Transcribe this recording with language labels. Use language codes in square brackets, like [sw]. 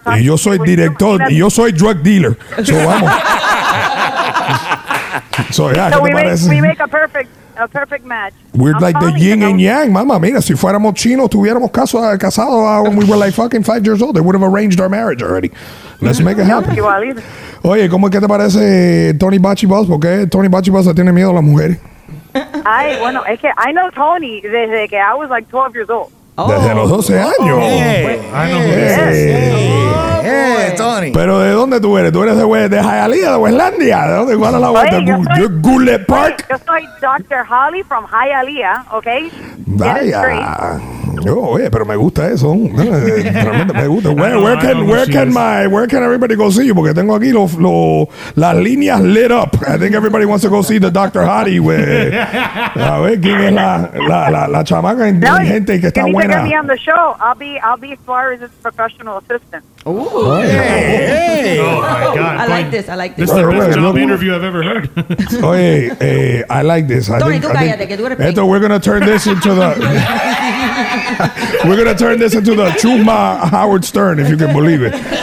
[es] talking. Yo soy director. Y yo soy drug dealer. So vamos. [en] So yeah, so we make a perfect match. We're I'm like the yin and yang, mama. [es] Mira, si fuéramos chinos, tuviéramos casado [en] when we were like fucking 5 years old. They would have arranged our marriage already. Let's make it happen. [es] Oye, ¿cómo es que te parece Tony Bachi Boss? Porque Tony Bachi Boss tiene miedo a las mujeres. [en] I know Tony [es] desde que [en] I was like 12 years old. [es] Desde los 12 años. Tony. Pero ¿de dónde tú eres? ¿Tú eres de Hialeah, de Westlandia? ¿De dónde? ¿Cuál es la vuelta? ¿De Gulet Park? Yo soy Dr. Holly from Hialeah, ¿ok? Vaya. Oye, pero me gusta eso. Realmente me gusta. [en] Where can everybody go see you? [es] Porque tengo aquí las líneas [en] lit up. I think everybody wants to go see the Dr. Hottie. [es] A ver quién es la chamaca inteligente que está buena. [en] If you can get me on the show, I'll be Suarez's professional assistant. Ooh. Hey. Oh, my God. I like this. This is the best job interview I've ever heard. Oye, I like this. Tony, we're going to turn this into the... We're going to turn this into the Chuma Howard Stern, if you can believe it.